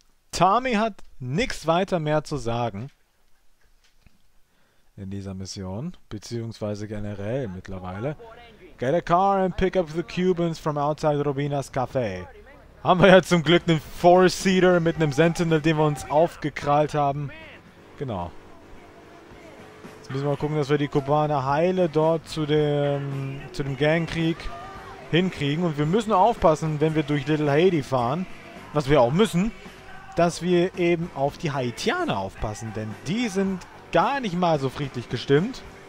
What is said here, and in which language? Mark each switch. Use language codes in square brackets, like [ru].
[de] Tommy hat nichts weiter mehr zu sagen in dieser Mission, beziehungsweise generell mittlerweile. [en] Get a car and pick up the Cubans from outside Robinas Café. [de] Haben wir ja zum Glück einen Four-Seater mit einem Sentinel, den wir uns aufgekrallt haben. Genau. Jetzt müssen wir mal gucken, dass wir die Kubaner heile dort zu dem Gangkrieg hinkriegen. Und wir müssen aufpassen, wenn wir durch Little Haiti fahren, was wir auch müssen, dass wir eben auf die Haitianer aufpassen, denn die sind gar nicht mal so friedlich gestimmt.